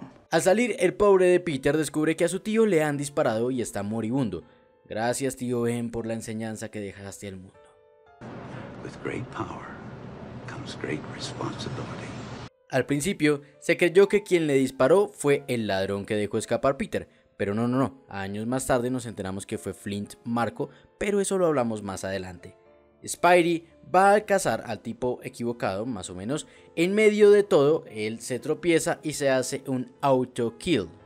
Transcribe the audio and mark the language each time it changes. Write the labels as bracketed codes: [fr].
[es] Al salir, el pobre de Peter descubre que a su tío le han disparado y está moribundo. Gracias, tío Ben, por la enseñanza que dejaste al mundo. [en] With great power comes great responsibility. [es] Al principio, se creyó que quien le disparó fue el ladrón que dejó escapar Peter, pero no. Años más tarde nos enteramos que fue Flint Marko, pero eso lo hablamos más adelante. Spidey va a cazar al tipo equivocado, más o menos. En medio de todo, él se tropieza y se hace un auto-kill.